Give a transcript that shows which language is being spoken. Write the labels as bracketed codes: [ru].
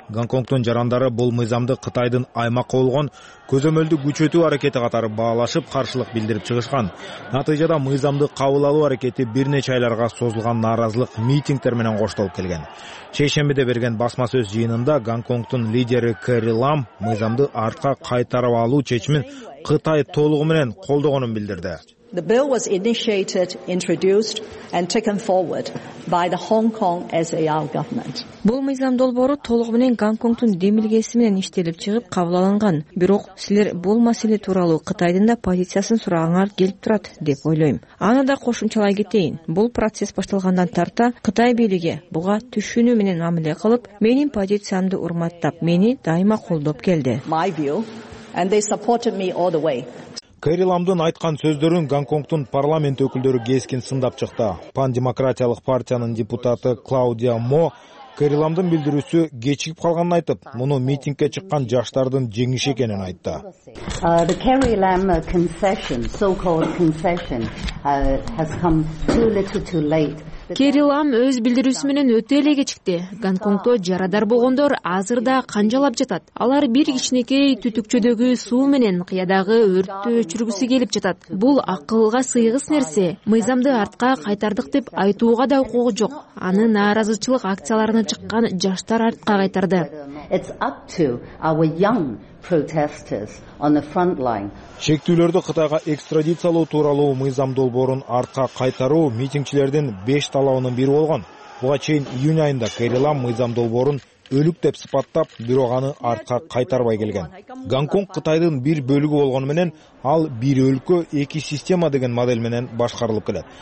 [ky] Гонконгдун жарандары бул мыйзамды Кытайдын аймакка болгон көзөмөлдү күчөтүү аракети катары баалашып, каршылык билдирип чыгышкан. Натыйжада мыйзамды кабыл алуу аракети бир нече айларга созулган нааразылык митингдер менен коштолуп келген. Шейшембиде берген басма сөз жыйынында Гонконгдун лидери Кэрри Лам мыйзамды артка кайтарып алуу чечимин Кытай толугу менен колдогонун билдирди. [en] The bill was initiated, introduced and taken forward by the Hong Kong SAR government. [ky] Бул мыйзам долбоору толугу менен Гонконгдун демилгеси менен иштелип чыгып кабыл алынган. Бирок силер бул маселе тууралуу Кытайдын да позициясын сурагандар келип турат деп ойлойм. Аны да кошумчалай кетейин. Бул процесс башталгандан тарта Кытай бийлиги буга түшүнүү менен мамиле кылып, менин позициямды урматтап, мени дайыма колдоп келди. [en] My view and they supported me all the way. [ky] Кэрри Ламдын айткан сөздөрүн Гонконгдун парламент өкүлдөрү кескин сындап чыкты. Пандемократиялык партиянын депутаты Клаудия Мо Кэрри Ламдын билдирүүсү кечигип калганын айтып, муну митингке чыккан жаштардын жеңиши экенин айтты. [en] The Kerry Lam concession, so-called concession, has come too little too late. [ky] Кэрри Лам өз билдирүүсү менен өтө эле кечикти. Гонконгдо жарадар болгондор азыр да канжалап жатат. Алар бир кичинекей түтүкчөдөгү суу менен кыядагы өрттү өчүргүсү келип жатат. Бул акылга сыйгыс нерсе. Мыйзамды артка кайтардык деп айтууга да укугу жок. Аны нааразычылык акцияларына чыккан жаштар артка кайтарды. [en] It's up to our young protesters on the front line. [ky] Шектүүлөрдү Кытайга экстрадициялоо тууралуу мыйзам долбоорун артка кайтаруу митингчилердин 5 талабынын бири болгон. Буга чейин июнь айында Кэрри Лам мыйзам долбоорун өлүк деп сыпаттап, бирок аны артка кайтарбай келген. Гонконг Кытайдын бир бөлүгү болгону менен ал бир өлкө, эки система деген модель менен башкарылып келет.